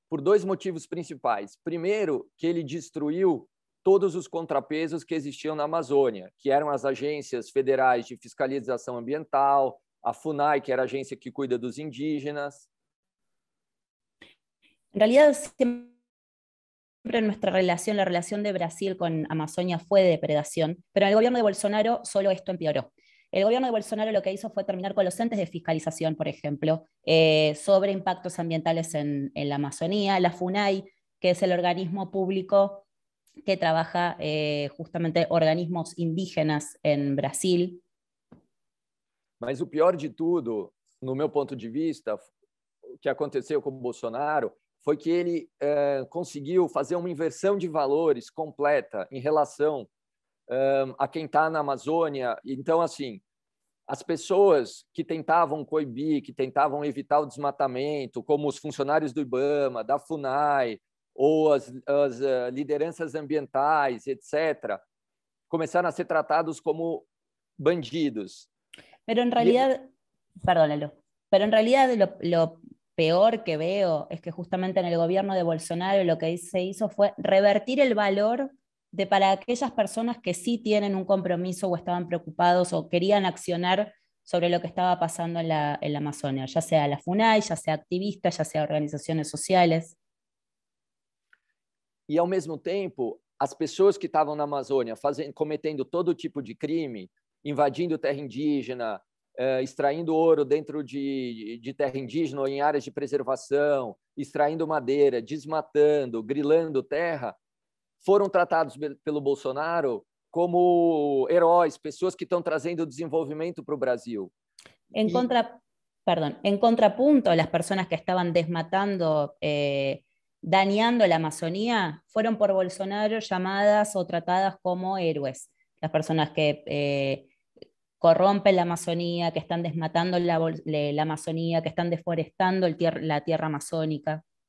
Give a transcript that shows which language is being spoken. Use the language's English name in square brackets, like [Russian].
[Portuguese] Por 2 motivos principais. Primeiro, que ele destruiu todos os contrapesos que existiam na Amazônia, que eram as agências federais de fiscalização ambiental, a FUNAI, que era a agência que cuida dos indígenas. Em realidade, sempre a nossa relação, a relação de Brasil com a Amazônia foi de depredação, mas no governo de Bolsonaro, só isto empeorou. [Spanish] El gobierno de Bolsonaro lo que hizo fue terminar con los entes de fiscalización, por ejemplo, sobre impactos ambientales en la Amazonía, la FUNAI, que es el organismo público que trabaja justamente organismos indígenas en Brasil. [Portuguese] Mas o pior de tudo, no meu ponto de vista, o que aconteceu com o Bolsonaro foi que ele conseguiu fazer uma inversão de valores completa em relação a quem está na Amazônia. Então, assim, as pessoas que tentavam coibir, que tentavam evitar o desmatamento, como os funcionários do IBAMA, da FUNAI, ou as lideranças ambientais, etc., começaram a ser tratados como bandidos. [Spanish] Pero en realidad, perdónalo, pero en realidad lo peor que veo es que justamente en el gobierno de Bolsonaro lo que se hizo fue revertir el valor de para aquellas personas que sí tienen un compromiso o estaban preocupados o querían accionar sobre lo que estaba pasando en la Amazonia, ya sea la FUNAI, ya sea activistas, ya sea organizaciones sociales. Y al mismo tiempo, las personas que estaban en la Amazonia cometiendo todo tipo de crimen, [Portuguese] invadindo terra indígena, extraindo ouro dentro de terra indígena ou em áreas de preservação, extraindo madeira, desmatando, grilando terra, foram tratados pelo Bolsonaro como heróis, pessoas que estão trazendo desenvolvimento para o Brasil. Em contrapunto, as pessoas que estavam desmatando, dañando a Amazônia, foram por Bolsonaro chamadas ou tratadas como héroes. As pessoas que [Spanish] corrompen la Amazonía, que están desmatando la Amazonía, que están deforestando la tierra amazónica.